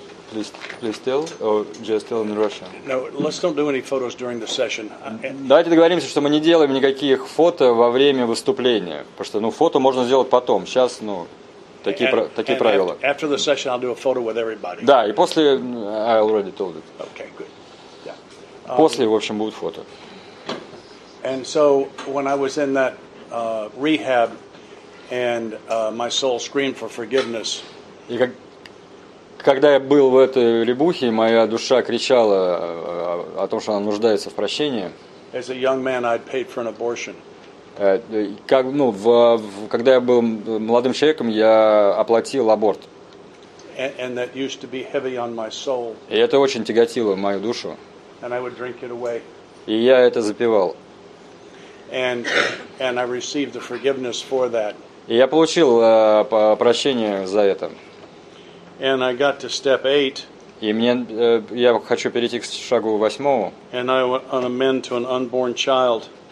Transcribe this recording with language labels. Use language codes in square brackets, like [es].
[en] Please tell, or just tell in Russian. No, let's don't do any photos during the session. [ru] Давайте договоримся, что мы не делаем никаких фото во время выступления, потому что фото можно сделать потом. Сейчас такие правила. [en] After the session, I'll do a photo with everybody. [ru] Да, и после [en] I already told it. Okay, good. Yeah. [ru] После, в общем, будет фото. [en] And so when I was in that rehab, and my soul screamed for forgiveness. [ru] Когда я был в этой ребухе, моя душа кричала о том, что она нуждается в прощении. [en] As a young man, I'd paid for an abortion. [ru] Когда я был молодым человеком, я оплатил аборт. [en] And that used to be heavy on my soul. [ru] И это очень тяготило мою душу. [en] And I would drink it away. [ru] И я это запивал. [en] And I received the forgiveness for that. [ru] И я получил прощение за это. [en] And I got to step 8. [ru] И мне я хочу перейти к шагу восьмому. [en] And I want to amend to an unborn child.